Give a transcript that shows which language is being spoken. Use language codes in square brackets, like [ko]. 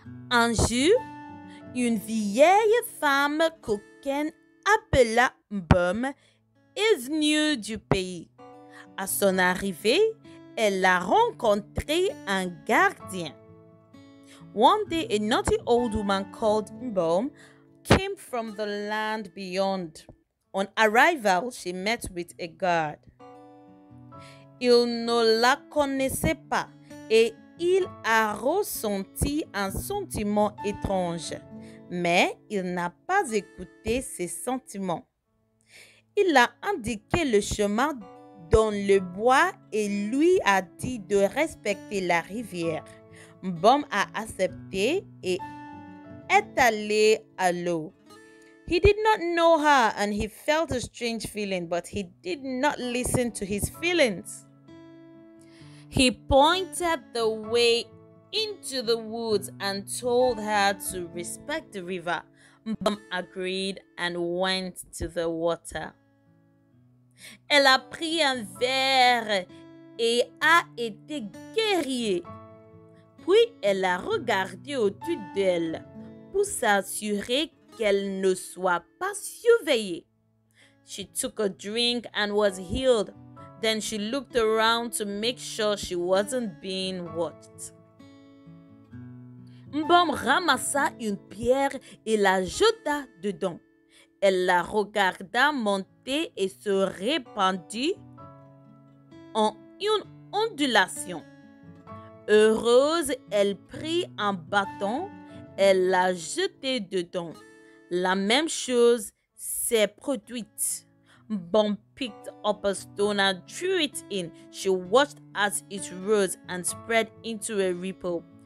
[fr] Un jour, une vieille femme coquine appelée Mbom est venue du pays. À son arrivée, elle a rencontré un gardien. [en] One day, a naughty old woman called Mbom came from the land beyond. On arrival, she met with a guard. [fr] Il ne la connaissait pas et il a ressenti un sentiment étrange, mais il n'a pas écouté ses sentiments. Il a indiqué le chemin dans le bois et lui a dit de respecter la rivière. Mbom a accepté et est allé à l'eau. [en] He did not know her and he felt a strange feeling, but he did not listen to his feelings. He pointed the way into the woods and told her to respect the river. Mbom agreed and went to the water. [fr] Elle a pris un verre et a été guérie. Puis, elle a regardé au-dessus d'elle pour s'assurer qu'elle ne soit pas surveillée. [en] She took a drink and was healed. Then she looked around to make sure she wasn't being watched. [fr] Mbom ramassa une pierre et la jeta dedans. Elle la regarda monter et se répandit en une ondulation. Heureuse, elle prit un bâton, elle l'a jeté dedans. La même chose s'est produite. [en] Bon picked up a stone and threw it in. She watched as it rose and spread into a ripple.